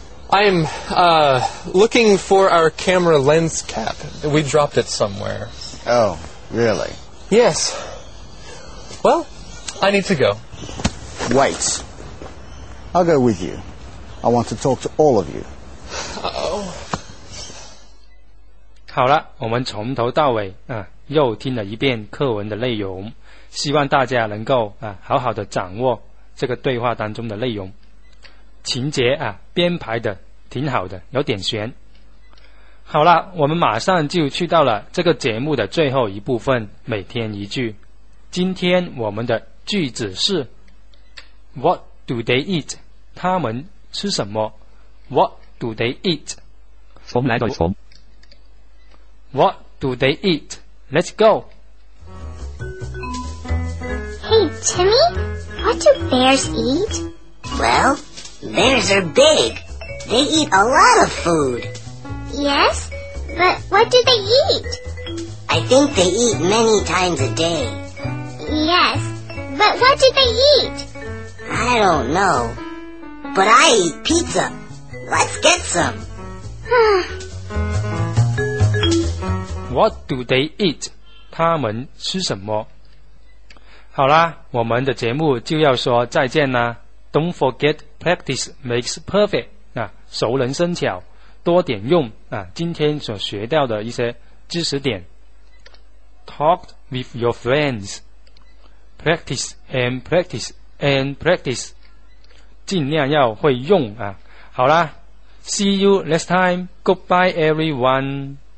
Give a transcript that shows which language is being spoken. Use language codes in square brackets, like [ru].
[en] I'm, looking for our camera lens cap. We dropped it somewhere. Oh, really? Yes. Well, I need to go. Wait. I'll go with you. I want to talk to all of you. Uh-oh. [zh] 好了，我们从头到尾啊，又听了一遍课文的内容，希望大家能够啊，好好的掌握这个对话当中的内容，情节啊，编排的挺好的，有点悬。好了，我们马上就去到了这个节目的最后一部分，每天一句。今天我们的句子是 [en] What do they eat? [zh] 他们吃什么？ [en] What do they eat? From [zh] 来到 [en] from What do they eat? Let's go. Hey Timmy, what do bears eat? Well, bears are big. They eat a lot of food. Yes, but what do they eat? I think they eat many times a day Yes, but what do they eat? I don't know. But I eat pizza. Let's get some. What do they eat? [zh] 他们吃什么？好啦，我们的节目就要说再见啦。 [en] Don't forget, practice makes perfect. [zh] 啊，熟能生巧，多点用啊，今天所学到的一些知识点。 [en] Talk with your friends. Practice and practice and practice. [zh] 尽量要会用啊。 [en] 好啦， See you next time. Goodbye everyone.